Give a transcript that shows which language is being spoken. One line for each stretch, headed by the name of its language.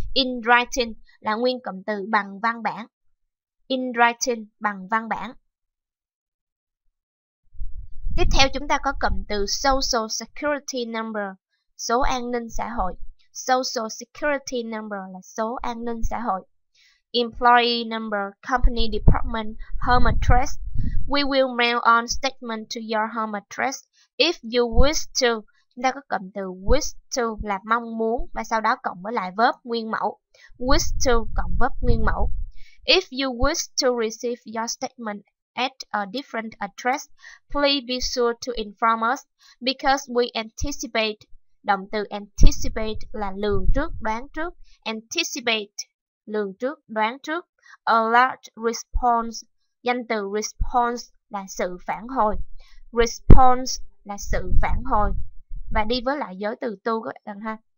Vietnamese: In writing là nguyên cụm từ bằng văn bản. In writing, bằng văn bản. Tiếp theo chúng ta có cụm từ social security number, số an ninh xã hội. Social security number là số an ninh xã hội.
English: employee number, company department, home address. We will mail on statement to your home address if you wish to.
Vietnamese: Chúng ta có cụm từ wish to là mong muốn và sau đó cộng với lại verb nguyên mẫu. Wish to cộng verb nguyên mẫu.
English: If you wish to receive your statement at a different address, please be sure to inform us because we anticipate.
Vietnamese: Động từ anticipate là lường trước, đoán trước. Anticipate, lường trước, đoán trước.
English: A large response,
Vietnamese: danh từ response là sự phản hồi. Response là sự phản hồi. Và đi với lại giới từ to các bạn ha.